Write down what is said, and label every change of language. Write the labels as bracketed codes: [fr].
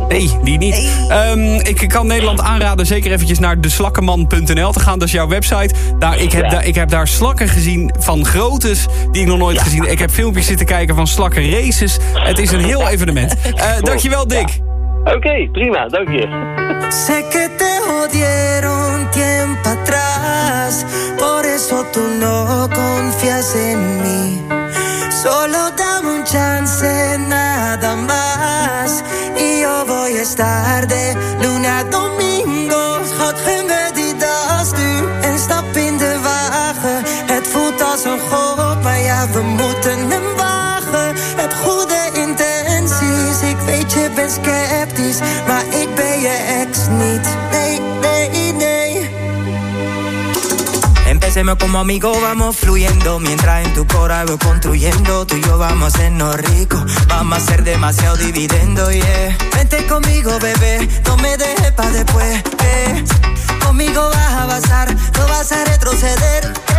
[nl] Nee, die niet. Nee. Ik kan Nederland aanraden zeker eventjes naar deslakkenman.nl te gaan. Dat is jouw website. Ik heb daar slakken gezien van groottes die ik nog nooit gezien. Ik heb filmpjes zitten kijken van slakken races. Het is een heel evenement. Dankjewel, Dick. Ja. Oké, prima, dank je. [es] Sé que te odiaron tiempo atrás, por eso tú no confías en mí. Solo dame un chance, nada más, y yo voy a estar de luna a domingo. [nl] God, geen bedien als nu, en stap in de wagen. Het voelt als een gok, maar ja, we moeten hem wagen. Heb goede intenties, ik weet je bent sceptisch, maar ik ben je ex niet. [es] Empecemos como amigos, vamos fluyendo. Mientras en tu cora voy construyendo, tú y yo vamos a hacernos ricos. Vamos a hacer demasiado dividendo, yeah. Vente conmigo, bebé, no me dejes pa' después, Conmigo vas a avanzar, no vas a retroceder,